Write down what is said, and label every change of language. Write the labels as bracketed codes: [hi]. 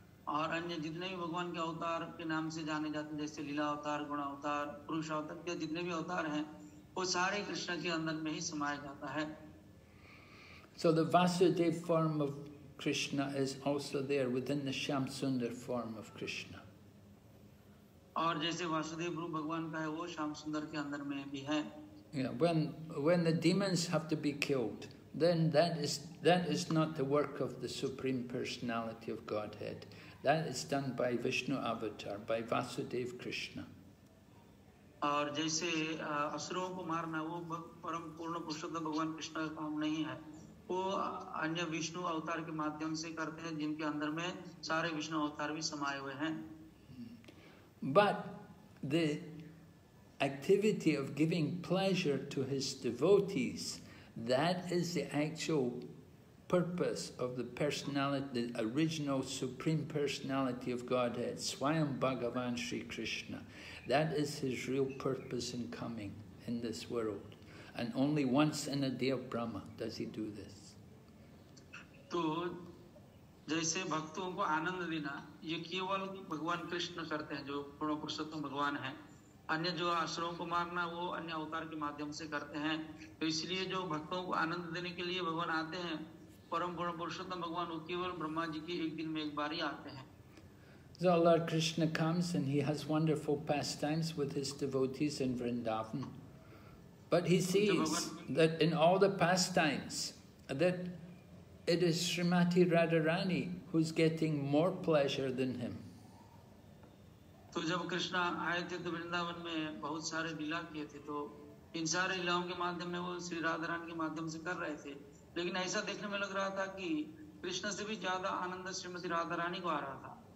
[hi] और अन्य जितने भी भगवान के अवतार के नाम से जाने जाते हैं जैसे लीला अवतार, गुण अवतार, पुरुष अवतार या जितने भी अवतार हैं वो सारे कृष्ण के अंदर में ही समाया जाता है। [en] So the Vasudev form of Krishna is also there within the Shamsundar form of Krishna. [hi] और जैसे वासुदेव रूप भगवान का है वो श्यामसुंदर के अंदर में भी है। [en] Yeah, when the demons have to be killed, then that is not the work of the Supreme Personality of Godhead. That is done by Vishnu Avatar, by Vasudev Krishna. [hi] और जैसे असुरों को मारना वो परम पूर्ण पुरुषोत्तम भगवान कृष्ण का काम नहीं है वो अन्य विष्णु अवतार के माध्यम से करते हैं जिनके अंदर में सारे विष्णु अवतार भी समाये हुए हैं [en] But the activity of giving pleasure to his devotees, that is the actual purpose of the personality, the original supreme personality of Godhead, Swayam Bhagavan Sri Krishna. That is his real purpose in coming in this world. And only once in a day of Brahma does he do this. [hi] तो जैसे भक्तों को आनंद देना ये केवल भगवान कृष्ण करते हैं जो पूर्ण पुरुषोत्तम भगवान हैं अन्य जो असुरों को मारना वो अन्य अवतार के माध्यम से करते हैं तो इसलिए जो भक्तों को आनंद देने के लिए भगवान आते हैं परम पूर्ण पुरुषोत्तम भगवान वो केवल ब्रह्मा जी के एक दिन में एक बार ही आते हैं [en] So Lord Krishna comes and he has wonderful pastimes with his devotees in Vrindavan. But he sees that in all the pastimes, that it is Srimati Radharani who's getting more pleasure than him. [hi] तो जब कृष्णा आए थे तो वृंदावन में बहुत सारे लीला किए थे तो इन सारे लीलाओं के माध्यम में वो श्री राधारानी के माध्यम से कर रहे थे लेकिन ऐसा देखने में लग रहा था कि कृष्ण से भी ज्यादा आनंद श्रीमती राधारानी को आ रहा था